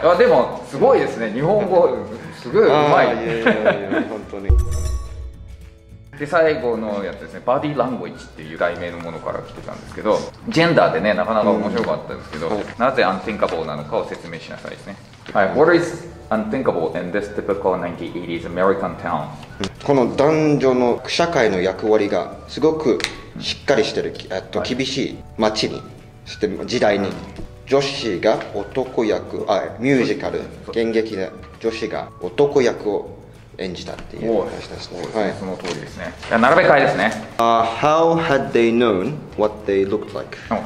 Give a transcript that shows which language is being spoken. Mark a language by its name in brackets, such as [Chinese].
[Japanese] はい。あでもすごいですね。日本語すごい上手い。いや本当に。で最後のやつですね、バディランゴイチっていう題名のものから来てたんですけど、ジェンダーでね、なかなか面白かったんですけど、なぜアンティンカボーなのかを説明しなさいですね。 [English] はい、What is unthinkable in this typical 1980s American town? [Japanese] この男女の社会の役割がすごくしっかりしてる、厳しい街に、そして時代に、女子が男役、あ、ミュージカル、現役で女子が男役を演じたっていう話ですね。はい、その通りですね。並べ替えですね。 [English] How had they known what they looked like?